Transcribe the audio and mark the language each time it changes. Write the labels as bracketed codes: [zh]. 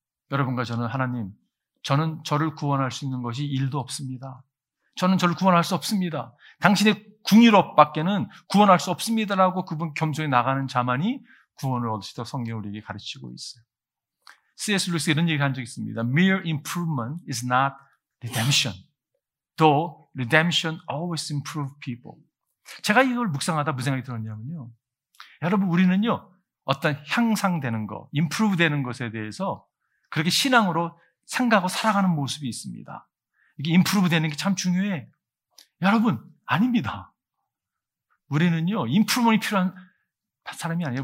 [ko] 여러분과 저는 하나님, 저는 저를 구원할 수 있는 것이 일도 없습니다. 저는 저를 구원할 수 없습니다. 당신의 궁유로 밖에는 구원할 수 없습니다 라고 그분 겸손히 나가는 자만이 구원을 얻을 수 있다고 성경을 우리에게 가르치고 있어요. C.S. 루이스 이런 얘기를 한 적이 있습니다. [en] Mere improvement is not redemption. Though redemption always improves people. [ko] 제가 이걸 묵상하다 무슨 생각이 들었냐면요, 여러분 우리는요 어떤 향상되는 것, improve 되는 것에 대해서 그렇게 신앙으로 생각하고 살아가는 모습이 있습니다. 이게 임프루브 되는 게 참 중요해. 여러분, 아닙니다. 우리는요, 임프루브가 필요한 사람이 아니에요.